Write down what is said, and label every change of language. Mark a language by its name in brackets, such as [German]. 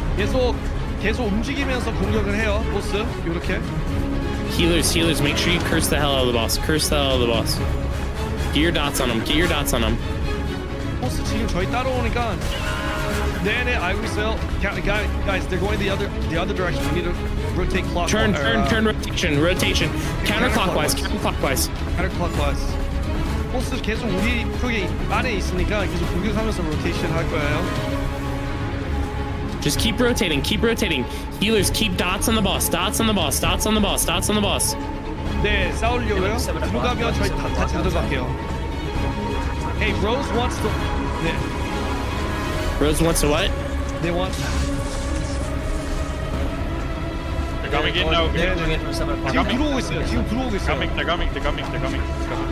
[Korean] 계속 움직이면서 공격을 해요. 보스 이렇게. [English] Healers, make sure you curse the hell out of the boss. Curse the hell out of the boss. Get your dots on him. [Korean] 보스 지금 저희 따라오니까. 네, 알고 있어요. [English] Guys, they're going the other direction. We need to rotate clockwise. Turn, rotation. Counterclockwise. Counterclockwise. [Korean] 보스 계속 우리 쪽에 안에 있으니까 계속 공격하면서 rotation 할 거예요. [English] Just keep rotating. Healers, keep dots on the boss, dots on the boss. [Korean] 네, 싸우려고요. 들어가면 저희 다 찾아갈게요. [English] Hey, Rose wants to... [Korean] 네. [English] Rose wants to what? They want... They're coming in now. They're coming.